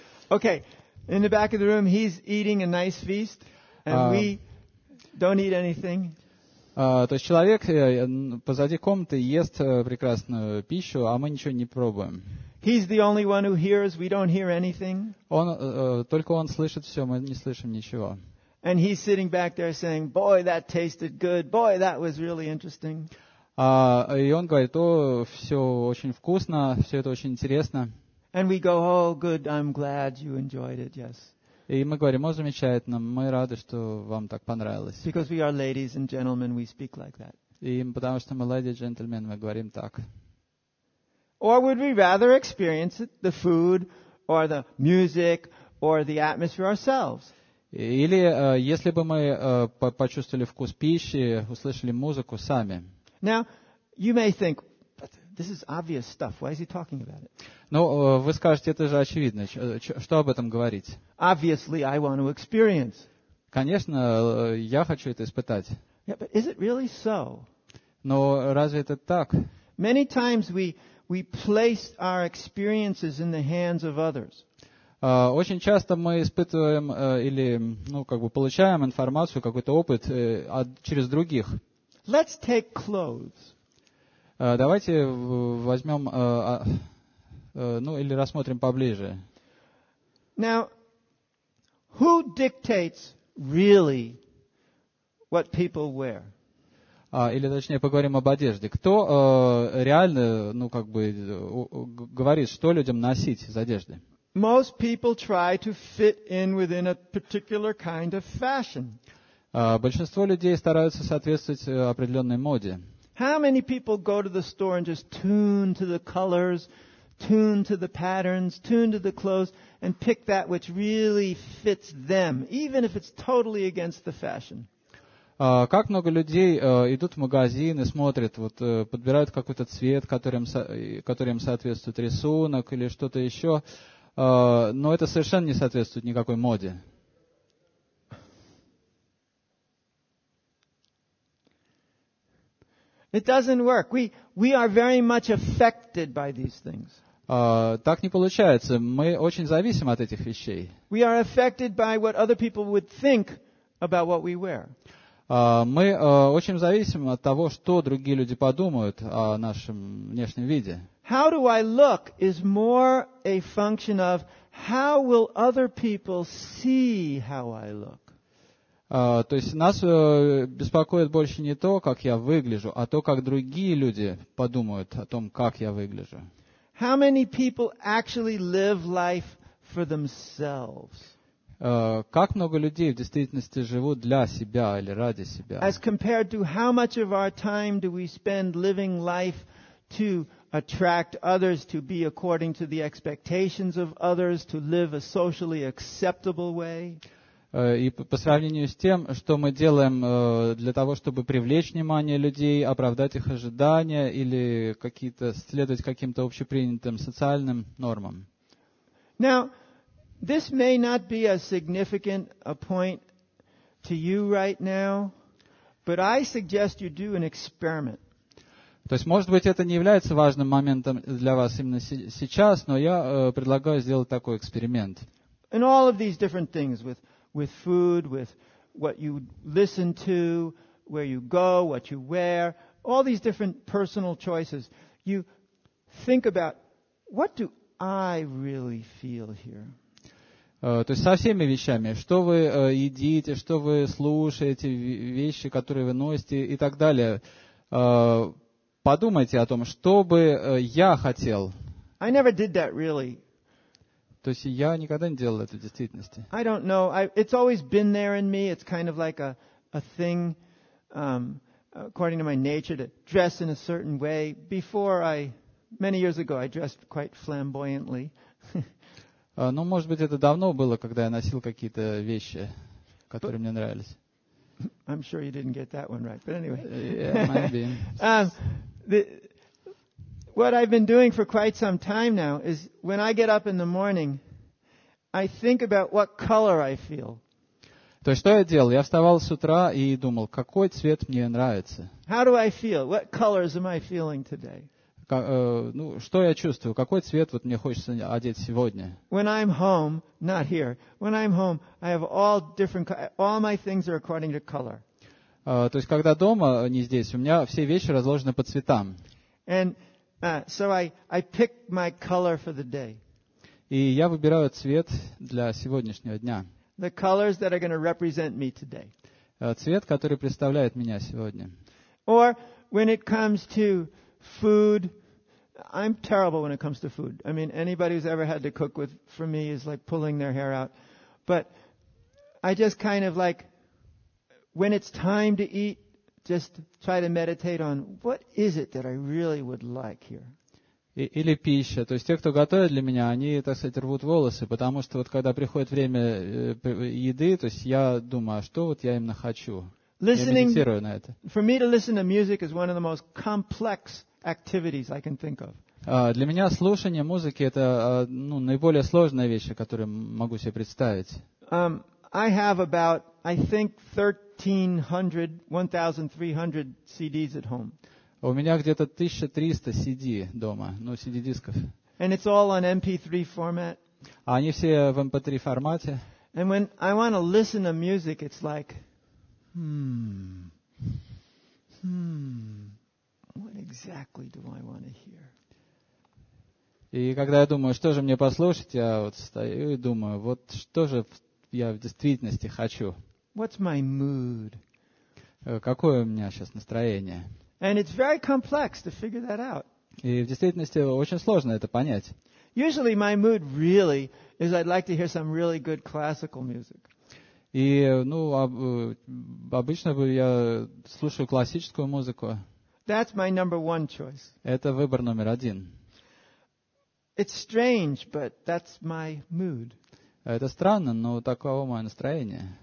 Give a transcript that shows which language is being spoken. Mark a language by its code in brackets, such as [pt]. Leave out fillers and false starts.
[en] Okay, in the back of the room, he's eating a nice feast and we don't eat anything. [ru] То есть человек позади комнаты ест прекрасную пищу, а мы ничего не пробуем. [en] He's the only one who hears. We don't hear anything. [ru] Он только он слышит все, мы не слышим ничего. [en] And he's sitting back there saying, "Boy, that tasted good. Boy, that was really interesting." [ru] И он говорит: "О, все очень вкусно, все это очень интересно." [en] And we go, "Oh, good. I'm glad you enjoyed it. Yes." [ru] И мы говорим: "О, замечательно. Мы рады, что вам так понравилось." [en] Because we are ladies and gentlemen, we speak like that. [ru] И потому что мы леди и джентльмены, мы говорим так. [en] Or would we rather experience it, the food, or the music, or the atmosphere ourselves? [ru] Или если бы мы почувствовали вкус пищи, услышали музыку сами. [en] Now, you may think, but this is obvious stuff. Why is he talking about it? [ru] Ну, вы скажете, это же очевидно. Что об этом говорить? [en] Obviously, I want to experience. [ru] Конечно, я хочу это испытать. [en] Yeah, but is it really so? [ru] Но разве это так? [en] Many times we place our experiences in the hands of others. [ru] Очень часто мы испытываем или, ну, как бы получаем информацию, какой-то опыт через других. [en] Let's take clothes. [ru] Давайте возьмем, ну, или рассмотрим поближе. [en] Now, who dictates really what people wear? [ru] Или, точнее, поговорим об одежде. Кто реально, ну, как бы, говорит, что людям носить из одежды? [en] Most people try to fit in within a particular kind of fashion. [ru] Большинство людей стараются соответствовать определенной моде. [en] How many people go to the store and just tune to the colors, tune to the patterns, tune to the clothes, and pick that which really fits them, even if it's totally against the fashion? [ru] Как много людей идут в магазин и смотрят, вот, подбирают какой-то цвет, который им соответствует, рисунок или что-то еще, но это совершенно не соответствует никакой моде. [en] It doesn't work. We are very much affected by these things. [ru] Так не получается. Мы очень зависим от этих вещей. [en] We are affected by what other people would think about what we wear. [ru] Мы очень зависим от того, что другие люди подумают о нашем внешнем виде. [en] How do I look is more a function of how will other people see how I look. [ru] То есть нас беспокоит больше не то, как я выгляжу, а то, как другие люди подумают о том, как я выгляжу. [en] How many people actually live life for themselves? [ru] Как много людей в действительности живут для себя или ради себя? [en] As compared to how much of our time do we spend living life to attract others to be according to the expectations of others, to live a socially acceptable way? [ru] И по сравнению с тем, что мы делаем для того, чтобы привлечь внимание людей, оправдать их ожидания или какие-то следовать каким-то общепринятым социальным нормам? [en] Now, this may not be as significant a point to you right now, but I suggest you do an experiment. [ru] То есть, может быть, это не является важным моментом для вас именно сейчас, но я предлагаю сделать такой эксперимент. [en] In all of these different things, with food, with what you listen to, where you go, what you wear, all these different personal choices, you think about, what do I really feel here? [ru] То есть со всеми вещами, что вы едите, что вы слушаете, вещи, которые вы носите и так далее. Подумайте о том, что бы я хотел. [en] I never did that really. [ru] То есть я никогда не делал это в действительности. [en] I don't know. It's always been there in me. It's kind of like a thing, according to my nature, to dress in a certain way. Many years ago, I dressed quite flamboyantly. [ru] Ну, может быть, это давно было, когда я носил какие-то вещи, которые мне нравились. [en] I'm sure you didn't get that one right, but anyway. Yeah, maybe. What I've been doing for quite some time now is when I get up in the morning, I think about what color I feel. [ru] То есть, что я делал? Я вставал с утра и думал, какой цвет мне нравится. [en] How do I feel? What colors am I feeling today? [ru] Ну, что я чувствую? Какой цвет вот мне хочется одеть сегодня? [en] When I'm home, not here. When I'm home, I have all different. All my things are according to color. [ru] То есть, когда дома, не здесь, у меня все вещи разложены по цветам. [en] And So I pick my color for the day. [ru] И я выбираю цвет для сегодняшнего дня. [en] The colors that are going to represent me today. [ru] Цвет, который представляет меня сегодня. [en] Or when it comes to food, I'm terrible when it comes to food. I mean, anybody who's ever had to cook with for me is like pulling their hair out. But I just kind of like, when it's time to eat, just try to meditate on what is it that I really would like here. [ru] Или пища. То есть те, кто готовит для меня, они, так сказать, рвут волосы, потому что вот когда приходит время еды, то есть я думаю, а что вот я именно хочу? [en] Listening, [ru] я медитирую на это. [en] For me to listen to music is one of the most complex activities I can think of. [ru] Для меня слушание музыки это ну, наиболее сложная вещь, которую могу себе представить. [en] I have about, I think, 1,300 CDs at home. [ru] У меня где-то 1300 CD дома, ну, CD-дисков. [en] And it's all on MP3 format. [ru] А они все в MP3 формате. [en] And when I want to listen to music, it's like, what exactly do I want to hear? [ru] И когда я думаю, что же мне послушать, я вот стою и думаю, вот что же я в действительности хочу. [en] What's my mood? [ru] Какое у меня сейчас настроение? [en] And it's very complex to figure that out. [ru] И в действительности очень сложно это понять. [en] Usually my mood really is I'd like to hear some really good classical music. [ru] И, ну, обычно я слушаю классическую музыку. [en] That's my number one choice. [ru] Это выбор номер один. [en] It's strange, but that's my mood. [ru] Это странно, но таково мое настроение.